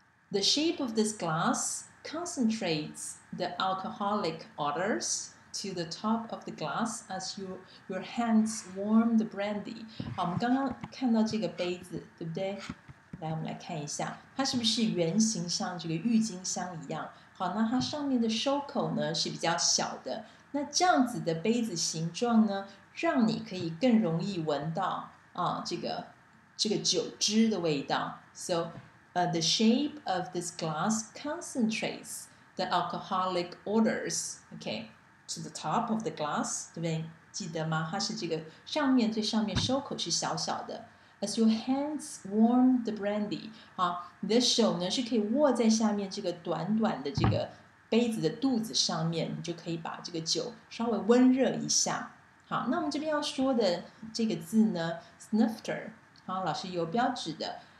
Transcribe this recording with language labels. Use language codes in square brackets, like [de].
[en] The shape of this glass concentrates the alcoholic odors to the top of the glass as your hands warm the brandy. [zh] 好，我们刚刚看到这个杯子，对不对？来，我们来看一下，它是不是圆形，像这个郁金香一样？好，那它上面的收口呢是比较小的。那这样子的杯子形状呢，让你可以更容易闻到这个酒汁的味道。 [en] So, the shape of this glass concentrates the alcoholic odors, okay, to the top of the glass, [zh] 对不对？记得吗？它是这个上面，最上面收口是小小的。 [en] As your hands warm the brandy, [zh] 好，你的手呢是可以握在下面这个短短的这个杯子的肚子上面，你就可以把这个酒稍微温热一下。好，那我们这边要说的这个字呢 ，snifter, 好，老师有标指的。